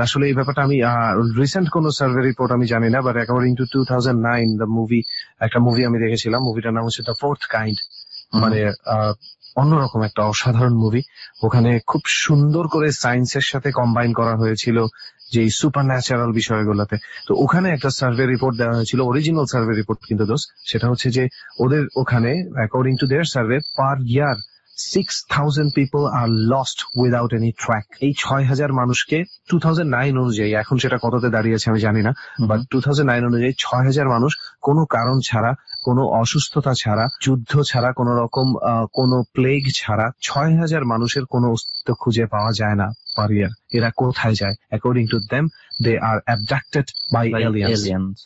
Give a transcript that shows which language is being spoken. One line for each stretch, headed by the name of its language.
Bangla: আসলে এই ব্যাপারটা আমি রিসেন্ট কোন সার্ভে রিপোর্ট আমি জানি না,
English: but according to 2009 the movie,
Bangla: একটা মুভি আমি দেখেছিলাম, মুভিটার নাম হচ্ছে দ্য ফোর্থ কাইন্ড, মানে অন্যরকম একটা অসাধারণ মুভি, ওখানে খুব সুন্দর করে সায়েন্সের সাথে কম্বাইন করা হয়েছিল যে সুপার ন্যাচারাল বিষয়গুলোতে, তো ওখানে একটা সার্ভে রিপোর্ট দেওয়া হয়েছিল, অরিজিনাল সার্ভে রিপোর্ট কিন্তু দোস, সেটা হচ্ছে যে ওদের ওখানে
English: According to their survey per year 6,000 people are lost without any track.
Bangla: এই 6,000 মানুষকে 2009 অনুযায়ী, এখন সেটা কততে দাঁড়িয়েছে আমি জানি না, বাট 2009 অনুযায়ী 6,000 মানুষ কোনো কারণ ছাড়া, কোনো অসুস্থতা ছাড়া, যুদ্ধ ছাড়া, কোনো রকম কোনো প্লেগ ছাড়া 6,000 মানুষের কোনো অস্তিত্ব খুঁজে পাওয়া যায় না. পারিয়ার এরা কোথায় যায়?
English: According to them, they are abducted by aliens.